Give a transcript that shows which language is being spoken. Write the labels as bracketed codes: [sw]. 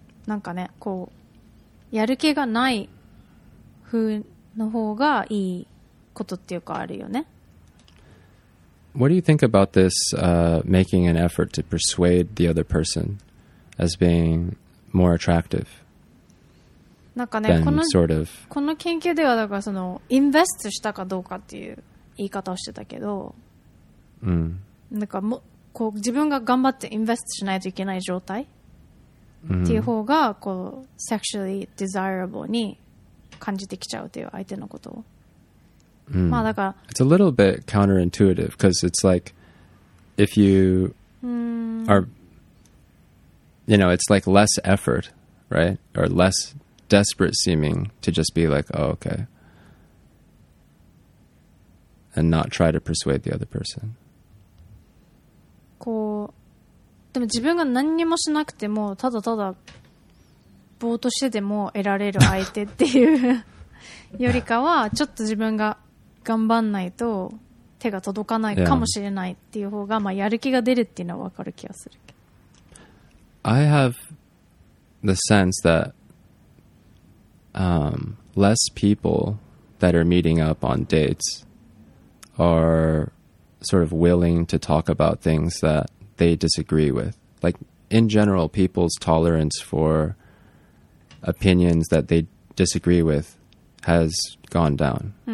[ja] なんかね、こうやる気がない風の方がいいことっていうかあるよね。 [en] What do you think about this making an effort to persuade the other person as being more attractive? [ja] なんかね、この研究ではだからそのインベストしたかどうかっていう言い方をしてたけど、なんかもこう自分が頑張ってインベストしないといけない状態っていう方がこう [en] sexually desirable [ja] に感じてきちゃうという相手のことを。 [en] まあ、it's a little bit counterintuitive because it's like if you are, you know, it's like less effort, right? Or less desperate seeming to just be like, oh, okay. And not try to persuade the other person. [ja] こう、でも自分が何にもしなくてもただただぼーっとしてても得られる相手っていうよりかはちょっと自分が頑張んないと手が届かないかもしれないっていう方が、まあ、やる気が出るっていうのは分かる気がする。 [en] I have the sense that less people that are meeting up on dates are sort of willing to talk about things that they disagree with. Like, in general, people's tolerance for opinions that they disagree with has gone down.